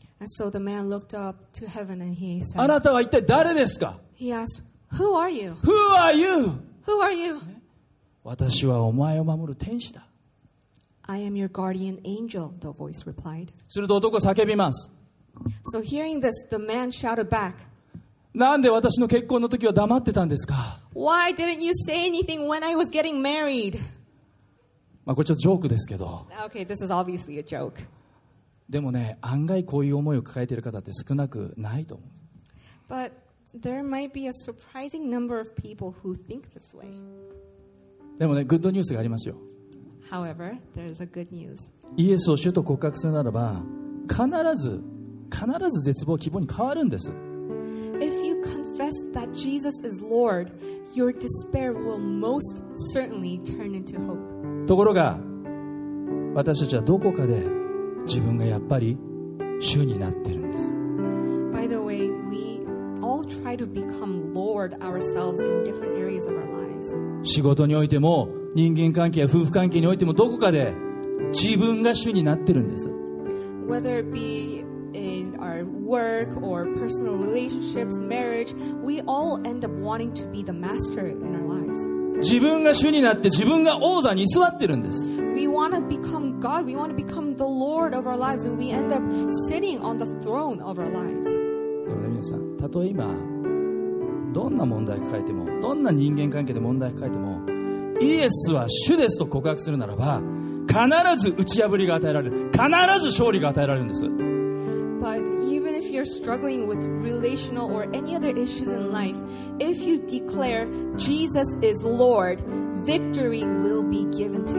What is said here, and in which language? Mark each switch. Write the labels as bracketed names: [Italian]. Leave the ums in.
[English] so the man looked up to heaven and he said, [Japanese] あなたは一体誰ですか? [English] He asked, Who are you? Who are you? Who are you? [Japanese] 私はお前を守る天使だ。 [English] I am your guardian angel, the voice replied. [Japanese] すると男は叫びます。 [English] So、hearing this, the man shouted back. [Japanese] なんで私の結婚の時は黙ってたんですか [English] Why didn't you say anything when I was getting married? [Japanese] まあこれちょっとジョークですけど。 [English] Okay, this is obviously a joke. [Japanese] でもね、案外こういう思いを抱えている方って少なくないと思う。 [English] But there might be a surprising number of people who think this way. [Japanese] でもね、グッドニュースがありますよ。 [English] However, there is a good news. [Japanese] イエスを主と告白するならば必ず必ず絶望希望に変わるんです。 [English] If you confess that Jesus is Lord, your despair will most certainly turn into hope. [Japanese] ところが私たちはどこかで自分がやっぱり主になっているんです。 [English] By the way, we all try to become Lord ourselves in different areas of our lives. [Japanese] 仕事においても、人間関係や夫婦関係においてもどこかで自分が主になってるんです。 [English] Whether it be in our work or personal relationships, marriage, we all end up wanting to be the master in our lives. [Japanese] 自分が主になって自分が王座に座ってるんです。 [English] We want to become God, we want to become the Lord of our lives, and we end up sitting on the throne of our lives. [Japanese] だから皆さん、たとえ今、どんな問題を抱えても、どんな人間関係で問題を抱えても、イエスは主ですと告白するならば必ず打ち破りが与えられる必ず勝利が与えられるんです But [English] even if you're struggling with relational or any other issues in life, if you declare Jesus is Lord, victory will be given to